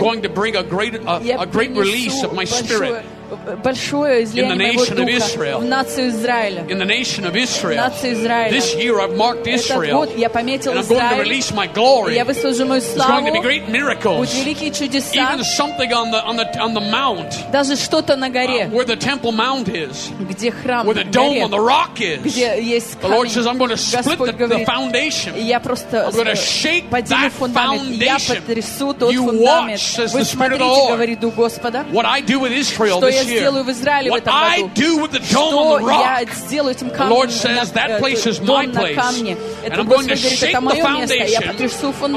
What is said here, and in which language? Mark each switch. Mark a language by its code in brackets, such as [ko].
[en] I'm going to bring a great release of my spirit. [ru] Большое излияние моего духа в нацию Израиля. [en] In the nation of Israel. [ru] В нацию Израиля. [en] This year I've marked Israel. [ru] Этот год я пометил Израиль. [en] And I'm going to release my glory. [ru] Я высвожу мою славу. [en] There's going to be great miracles. [ru] Будут великие чудеса. [en] Even something on the mount. [ru] Даже что-то на горе. [en] Where the temple mount is. [ru] Где храм. [en] Where the dome on the rock is. [ru] Где есть камень. [en] The Lord says I'm going to split the foundation. [ru] Я просто подниму фундамент. Я потрясу тот фундамент. Вы смотрите, говорит Дух Господа. [en] What I do with Israel. [ru] Что я сделаю в Израиле в этом году? Что я сделаю этим камнем? [en] Lord says that place is my place. And I'm going to shake the foundation.